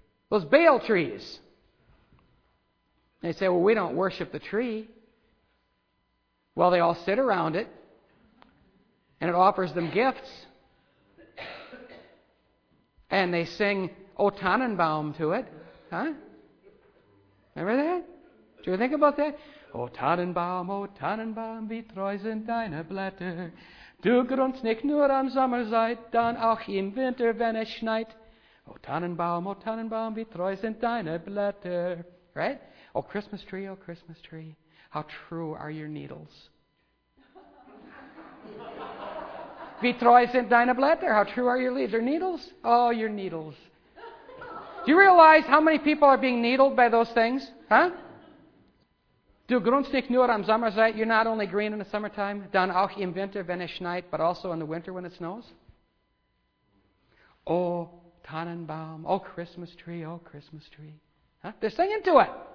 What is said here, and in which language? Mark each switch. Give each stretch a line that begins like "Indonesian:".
English: Those Baal trees. They say, "Well, we don't worship the tree." Well, they all sit around it, and it offers them gifts. And they sing O Tannenbaum to it, huh? Remember that? Do you think about that?
German: O Tannenbaum, wie treu sind deine Blätter. Du grunst nicht nur am Sommerzeit, dann auch im Winter, wenn es schneit. O Tannenbaum, wie treu sind deine Blätter.
English: Right? O Christmas tree, how true are your needles.
German: Wie treu sind deine Blätter,
English: how true are your leaves. Your needles? Oh, your needles. Do you realize how many people are being needled by those things? Huh?
German: Du grunst nicht nur am Sommerzeit,
English: you're not only green in the summertime,
German: dann auch im Winter, wenn es schneit,
English: but also in the winter when it snows. Oh, Tannenbaum, oh Christmas tree, oh Christmas tree. Huh? They're singing to it.